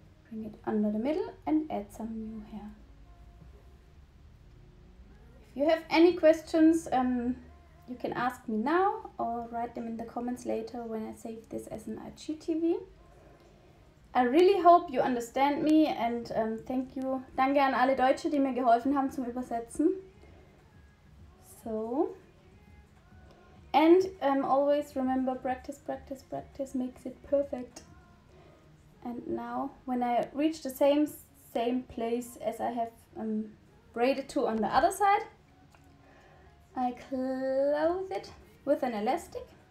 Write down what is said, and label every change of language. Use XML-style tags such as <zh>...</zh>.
<en>Bring it under the middle and add some new hair. If you have any questions, you can ask me now or write them in the comments later when I save this as an IGTV. I really hope you understand me, and thank you.</en> <de>Danke an alle Deutsche, die mir geholfen haben zum Übersetzen.</de> <en>So. And always remember, practice, practice, practice makes it perfect. And now, when I reach the same place as I have braided to on the other side, I close it with an elastic.</en>